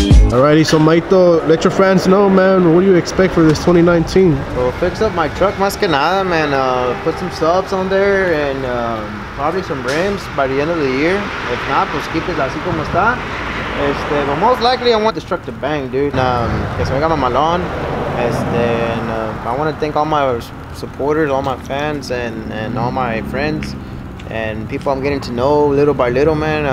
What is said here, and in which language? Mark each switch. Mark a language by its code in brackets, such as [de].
[en] Alrighty, so Maito, let your fans know, man, what do you expect for this 2019? Well, fix up my truck, más que nada, man. Put some subs on there and probably some rims by the end of the year. If not, pues keep it [es] así como está. [en] But most likely I want this truck to bang, dude. [es] Que se venga mamalón. [en] I want to thank all my supporters, all my fans, and all my friends, and people I'm getting to know little by little, man.